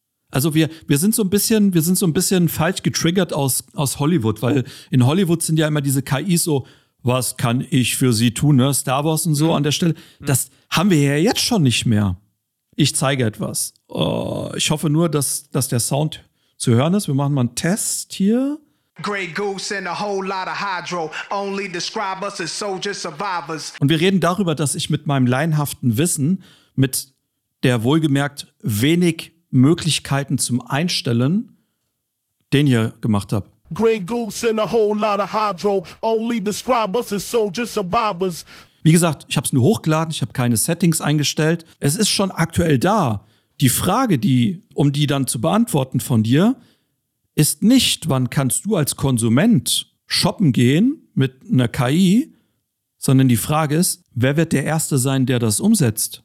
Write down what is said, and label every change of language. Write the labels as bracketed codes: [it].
[de] Also wir sind so ein bisschen falsch getriggert aus Hollywood, weil in Hollywood sind ja immer diese KIs so, was kann ich für sie tun, ne? Star Wars und so an der Stelle. Das haben wir ja jetzt schon nicht mehr. Ich zeige etwas. Ich hoffe nur, dass der Sound zu hören ist. Wir machen mal einen Test hier. [en] Grey Goose and a whole lot of hydro. Only describe us as soldiers, survivors. [de] Und wir reden darüber, dass ich mit meinem laienhaften Wissen, mit der wohlgemerkt wenig Möglichkeiten zum Einstellen, den hier gemacht habe. [en] Grey Goose and a whole lot of hydro. Only describe us as soldiers, survivors. [de] Wie gesagt, ich habe es nur hochgeladen, ich habe keine Settings eingestellt. Es ist schon aktuell da. Die Frage, die dann zu beantworten von dir, ist nicht, wann kannst du als Konsument shoppen gehen mit einer KI, sondern die Frage ist, wer wird der Erste sein, der das umsetzt?